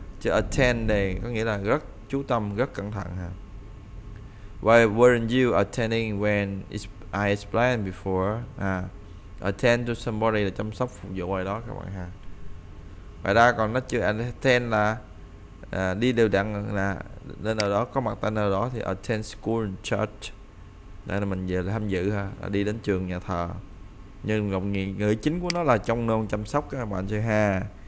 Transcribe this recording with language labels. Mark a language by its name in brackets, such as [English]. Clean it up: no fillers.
[Vietnamese] Chứ attend này có nghĩa là rất chú tâm, rất cẩn thận ha. [English] Why weren't you attending when I explained before? [Vietnamese] Attend to somebody là chăm sóc phục vụ ai đó các bạn ha. Ngoài ra còn nó chữ attend là đi đều đặn, là nên ở đó có mặt tại nơi đó, thì [English] attend school and church. [Vietnamese] Đây là mình về là tham dự ha, đi đến trường nhà thờ. Nhưng ngọc ngữ chính của nó là trông nom chăm sóc các bạn chơi ha.